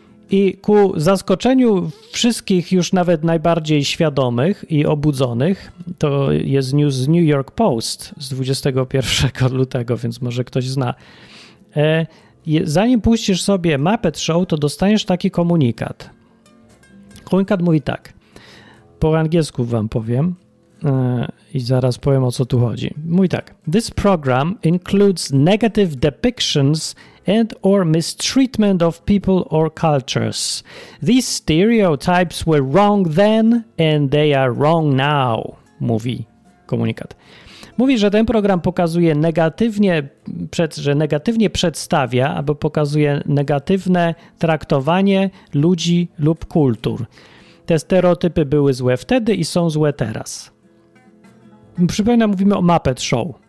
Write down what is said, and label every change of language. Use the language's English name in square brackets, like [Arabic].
[Polish] I ku zaskoczeniu wszystkich już nawet najbardziej świadomych i obudzonych, to jest news z New York Post z 21 lutego, więc może ktoś zna. Zanim puścisz sobie Muppet Show, to dostaniesz taki komunikat. Komunikat mówi tak. Po angielsku wam powiem i zaraz powiem, o co tu chodzi. Mówi tak. [English] This program includes negative depictions and or mistreatment of people or cultures. These stereotypes were wrong then and they are wrong now, [Polish] mówi komunikat. Mówi, że ten program pokazuje negatywnie przedstawia albo pokazuje negatywne traktowanie ludzi lub kultur. Te stereotypy były złe wtedy i są złe teraz. Przypominam, mówimy o Muppet Show.